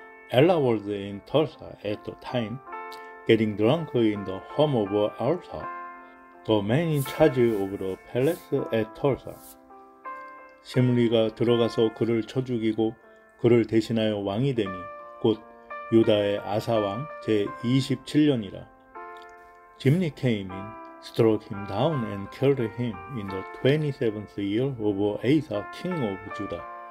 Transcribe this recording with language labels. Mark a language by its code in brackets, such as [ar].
[en] Ella was in Tirsa at the time, getting drunk in the home of Arsa, the man in charge of the palace at Tirsa. [ko] 시므리가 들어가서 그를 쳐 죽이고 그를 대신하여 왕이 되니 곧 유다의 아사왕 제27년이라. [en] Jimri came in, struck him down and killed him in the 27th year of Asa, king of Judah.